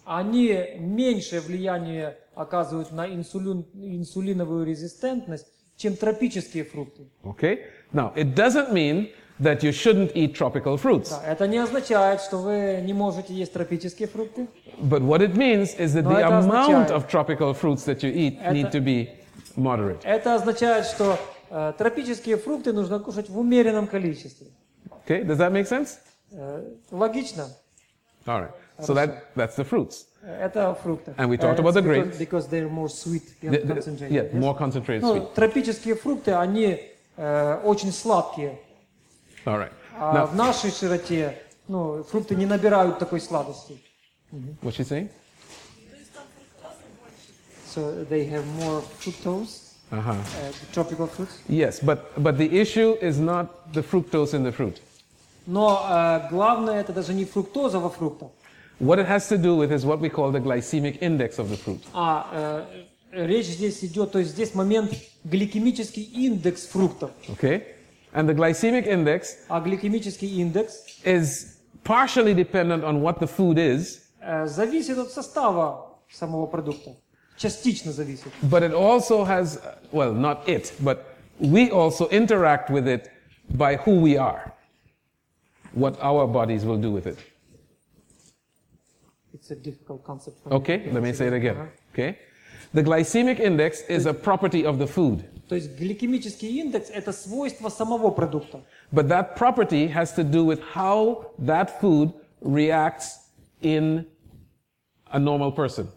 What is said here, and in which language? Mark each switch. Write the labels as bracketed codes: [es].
[ru] Они меньшее влияние оказывают на инсулиновую резистентность, чем тропические фрукты. [en] Okay. Now, it doesn't mean that you shouldn't eat tropical fruits. [ru] Да, это не означает, что вы не можете есть тропические фрукты. [en] But what it means is that [ru] Но [en] the amount of tropical fruits that you eat [ru] это, [en] need to be moderate. [ru] Это означает, что тропические фрукты нужно кушать в умеренном количестве. [en] Okay, does that make sense? [ru] Логично. [en] All right. So that's the fruits. [ru] Это фрукты. [en] And we talked about the grapes. Because they're more sweet and concentrated. Yeah, more concentrated [ru] ну, [en] sweet. [ru] Тропические фрукты, они очень сладкие. [en] All right. [ru] А now, в нашей широте, ну, фрукты не набирают такой сладости. [en] Mm-hmm. What's she saying? So they have more fructose. Uh-huh. Tropical fruits. Yes, but the issue is not the fructose in the fruit. [ru] Но главное это даже не фруктоза во фруктах. [en] What it has to do with is what we call the glycemic index of the fruit. [ru] А речь здесь идет, то есть здесь момент гликемический индекс фруктов. [en] Okay. And the glycemic index, [ru] а гликемический индекс, [en] is partially dependent on what the food is. [ru] Зависит от состава самого продукта. Частично зависит. [en] But it also has, well, not it, but we also interact with it by who we are. What our bodies will do with it. It's a difficult concept. Okay, let me say it again. Uh-huh. Okay. The glycemic index is a property of the food. [ru] То есть гликемический индекс это свойство самого продукта. [en] But that property has to do with how that food reacts in a normal person.